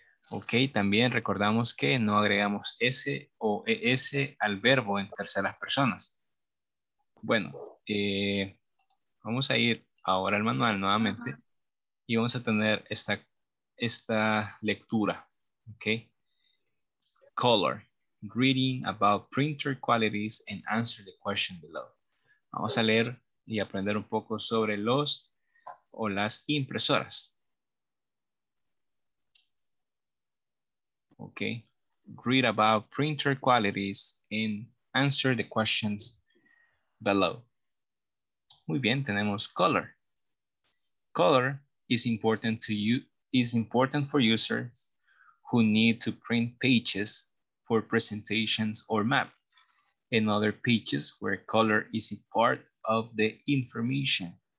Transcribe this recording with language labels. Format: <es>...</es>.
<es>Ok, también recordamos que no agregamos S o ES al verbo en terceras personas. Bueno, vamos a ir ahora al manual nuevamente y vamos a tener esta lectura, okay.</es> <en>Color, reading about printer qualities and answer the question below.</en> <es>Vamos a leer y aprender un poco sobre los o las impresoras.</es> <en>Okay, read about printer qualities and answer the questions below.</en> <es>Muy bien, tenemos color.</es> <en>Color is important to you, is important for users who need to print pages for presentations or map and other pages where color is a part of the information.</en>